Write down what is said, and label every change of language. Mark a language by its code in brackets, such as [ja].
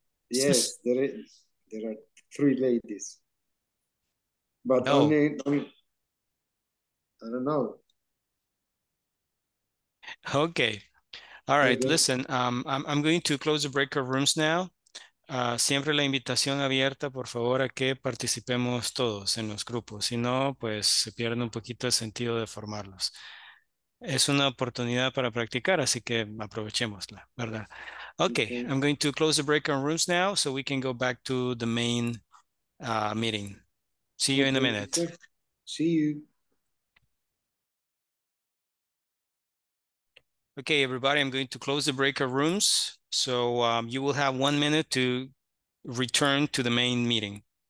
[en] Yes, there are three ladies. But no. I don't know. Okay. All right, listen, I'm going to close the breakout rooms now. [es] Siempre la invitación abierta, por favor, a que participemos todos en los grupos. Si no, pues se pierde un poquito el sentido de formarlos. Es una oportunidad para practicar, así que aprovechémosla, ¿verdad? [en] Okay, I'm going to close the breakout rooms now so we can go back to the main meeting. See you in a minute. See you. Okay, everybody, I'm going to close the breakout rooms. So you will have 1 minute to return to the main meeting.